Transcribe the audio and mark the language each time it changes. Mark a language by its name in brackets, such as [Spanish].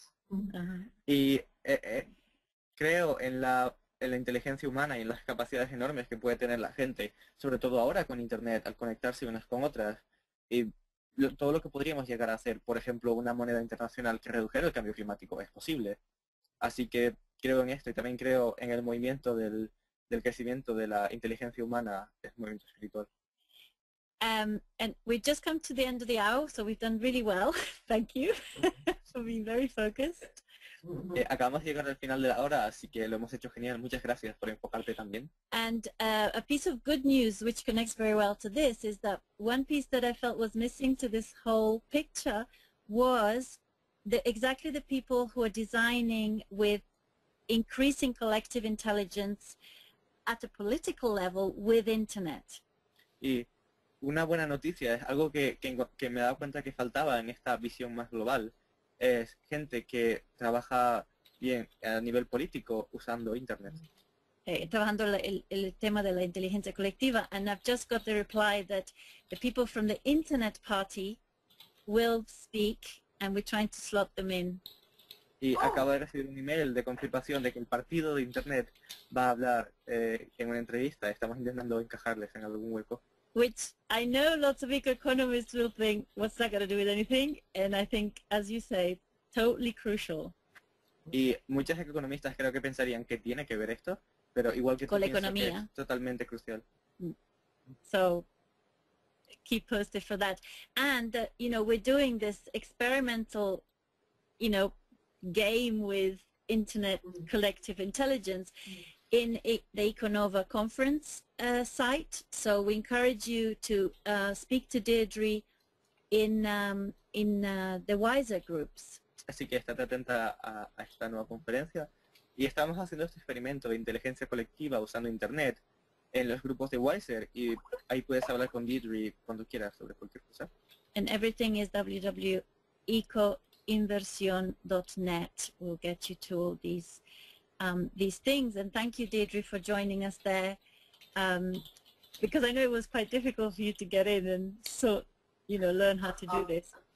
[Spanish] Uh-huh. Y creo en la inteligencia humana y en las capacidades enormes que puede tener la gente, sobre todo ahora con internet, al conectarse unas con otras, y todo lo que podríamos llegar a hacer, por ejemplo, una moneda internacional que redujera el cambio climático, es posible. Así que creo en esto y también creo en el movimiento del crecimiento de la inteligencia humana, es un movimiento espiritual. [English] And we've just come to the end of the hour, so we've done really well. Thank you for being very focused. [Spanish] Acabamos de llegar al final de la hora, así que lo hemos hecho genial. Muchas gracias por enfocarte también. [English] And a piece of good news, which connects very well to this, is that one piece that I felt was missing to this whole picture was exactly the people who are designing with increasing collective intelligence at a political level with internet. [Spanish] Una buena noticia, es algo que me he dado cuenta que faltaba en esta visión más global, es gente que trabaja bien a nivel político usando internet. Trabajando el tema de la inteligencia colectiva, [English] and I've just got the reply that the people from the internet party will speak, and we're trying to slot them in. [Spanish] Y acabo de recibir un email de confirmación de que el partido de internet va a hablar en una entrevista, estamos intentando encajarles en algún hueco. [English] Which I know lots of eco-economists will think, what's that got to do with anything? And I think, as you say, totally crucial. [Spanish] Y muchas eco-economistas creo que pensarían que tiene que ver esto, pero igual que con la economía, que es totalmente crucial. [English] So, keep posted for that. And, you know, we're doing this experimental, you know, game with internet collective intelligence in the EcoNova conference site, so we encourage you to speak to Deirdre in the wiser groups. [Spanish] Así que estate atenta a esta nueva conferencia y estamos haciendo este experimento de inteligencia colectiva usando internet en los grupos de wiser y ahí puedes hablar con Deirdre cuando quieras sobre cualquier cosa. [English] And everything is www.ecoinversion.net will get you to all these things, and thank you, Deirdre, for joining us there, because I know it was quite difficult for you to get in and so, you know, learn how to do this.